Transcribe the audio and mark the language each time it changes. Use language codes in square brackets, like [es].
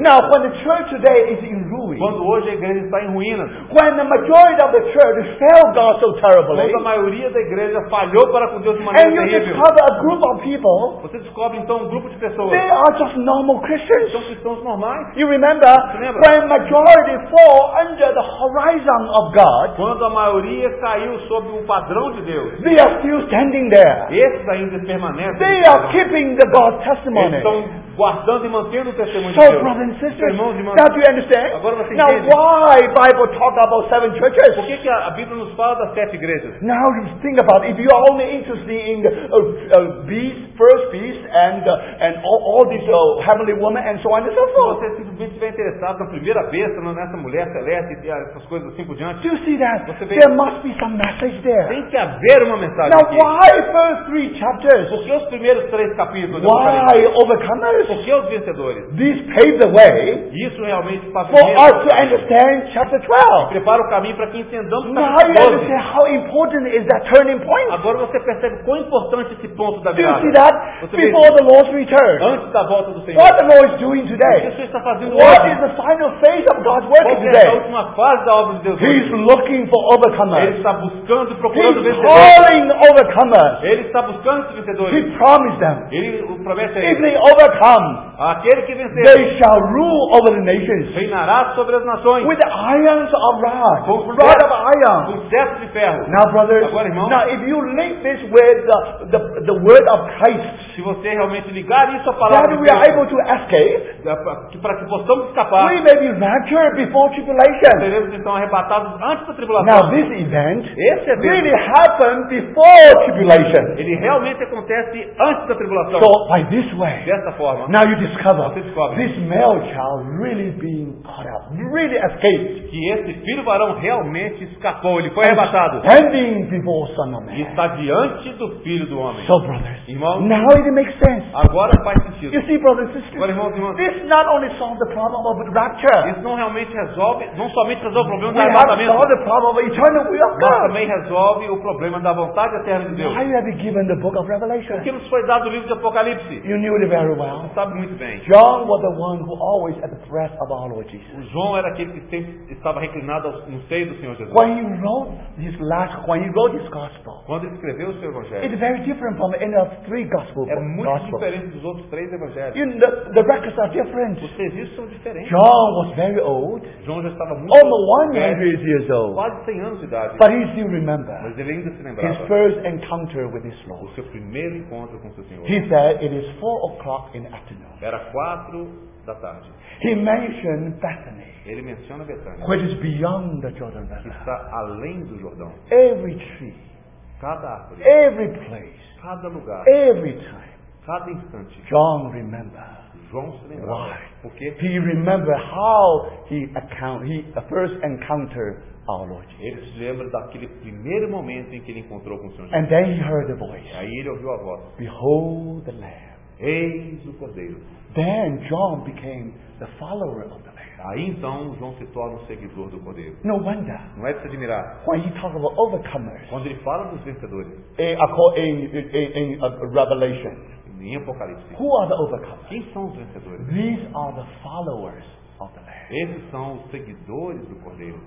[en] Now when the church today is in ruins, [pt] quando hoje a igreja está em ruínas, [en] when the majority of the church failed God so terribly, [pt] quando a maioria da igreja falhou para com Deus de maneira terrível, [en] and you discover a group of people, [pt] você descobre então um grupo de pessoas, [en] they are just normal Christians, [pt] são cristãos normais. [en] You remember, when majority fall under the horizon of God, [pt] quando a maioria caiu sob o padrão de Deus, [en] they are still standing there. [pt] Esses ainda permanecem. [en] They are keeping the God testimony. [pt] Eles estão guardando e mantendo o testemunho [en] so, [pt] de Deus. [en] So, brothers and sisters, [pt] irmãos e irmãs, [en] that you understand? [pt] Agora você [en] now, [pt] entende? [en] Why Bible talk about 7 churches? [pt] Por que a Bíblia nos fala das 7 igrejas? [en] Now, think about it. If you are only interested in these first beast and all these heavenly women and so on and so forth. [pt] Se você simplesmente estiver interessado na primeira besta, nessa mulher celeste e essas coisas assim por diante, [en] do you see that? [pt] Você vê, [en] there must be some message there. [pt] Tem que haver uma mensagem [en] now, [pt] aqui. [en] Why first 3 chapters? [pt] Por que os primeiros 3 capítulos? [en] Why overcomers? [pt] porque os vencedores. [en] This paved the way. [pt] Isso realmente [en] for us to understand chapter 12. [pt] Prepara o caminho para que entendamos. [en] Now you understand how important is that turning point. [pt] Agora você percebe quão importante esse ponto da viagem. [en] Do you see that? Before the Lord's return. [pt] Antes da volta do Senhor. [en] What the Lord is doing today? [pt] O que Jesus está fazendo [en] what [pt] hoje? [en] What is the final phase of God's work today? [pt] A última fase da obra de Deus. [en] He is looking for overcomers. [pt] Ele está buscando e procurando [en] He's [pt] vencedores. [en] Calling overcomers. [pt] Ele está buscando esses vencedores. [en] He promised them. [pt] Ele promete a eles. [en] If they overcome, [pt] aquele que vencer, [en] they shall rule over the nations. [pt] Reinará sobre as nações. [en] With the irons of wrath. [pt] Com o [en] rod of iron. [pt] Com cetro de ferro. [en] Now, brothers. [pt] Agora, irmãos. [en] Now, if you link this with the word of Christ. [pt] Se você realmente ligar isso à palavra de Deus, [en] we are able to escape, [pt] para que possamos escapar, [en] we may be raptured before tribulation. [pt] Seremos então arrebatados antes da tribulação. [en] Now this event, [pt] esse evento, [en] really happened before tribulation. [pt] Ele realmente acontece antes da tribulação. [en] So by this way, [pt] dessa forma, [en] now you discover, [pt] você descobre, [en] this male child really being caught up, really escaped, [pt] que esse filho varão realmente escapou, ele foi arrebatado, [en] standing before Son of Man, [pt] e está diante do Filho do Homem. [en] So brothers, [pt] irmãos, [en] now it makes sense. [pt] Agora faz sentido. [en] You see, brothers and sisters, [pt] agora, irmãos, [en] this not only solves the problem of rapture. [pt] Isso não realmente resolve, não somente resolve o problema do arrebatamento. [en] We solve the problem of eternal will of God. [pt] Também resolve o problema da vontade eterna de Deus. [en] Why you have given the book of Revelation? [pt] Porque nos foi dado o livro de Apocalipse. [en] You knew it very well. [pt] Você sabe muito bem. [en] John was the one who always at the breast of our Lord Jesus. [pt] O João era aquele que sempre estava reclinado no seio do Senhor Jesus. [en] When he wrote his last, when he wrote his gospel. [pt] Quando ele escreveu o seu evangelho. [en] It's very different from any of three gospels. [pt] É muito diferente dos outros três evangelhos. [en] In the records are different. [pt] Os registros são diferentes. [en] John was very old. [pt] João já estava muito velho. [en] Almost 100 years old. [pt] Quase 100 anos de idade. [en] But he still remembers. [pt] Mas ele ainda se lembrava. [en] His first encounter with his Lord. [pt] O seu primeiro encontro com o seu Senhor. [en] He said it is 4 o'clock in the afternoon. [pt] Era 4 da tarde. [en] He mentioned Bethany. [pt] Ele menciona Betânia. [en] Which is beyond the Jordan Valley. [pt] Que está além do Jordão. [en] Every tree. [pt] Cada árvore. [en] Every place. [pt] Cada lugar, [en] every time, [pt] cada instante, [en] John remembered. [pt] João se lembrava. [en] Why? [pt] Porque [en] he remembered how he first encountered our Lord Jesus. [pt] Ele se lembra daquele primeiro momento em que ele encontrou com o Senhor Jesus. [en] And then he heard the voice. [pt] Aí ele ouviu a voz. [en] Behold the Lamb. [pt] Eis o Cordeiro. [en] Then John became the follower of the Lamb. [pt] Aí então João se torna o seguidor do Cordeiro. [en] No wonder. [pt] Não é de se admirar. [en] When he talks about overcomers. [pt] Quando ele fala dos vencedores. [en] In Revelation. [pt] Em Apocalipse. [en] Who are the overcomers? [pt] Quem são os vencedores? [en] These are the followers of the Lamb. [pt] Esses são os seguidores do Cordeiro.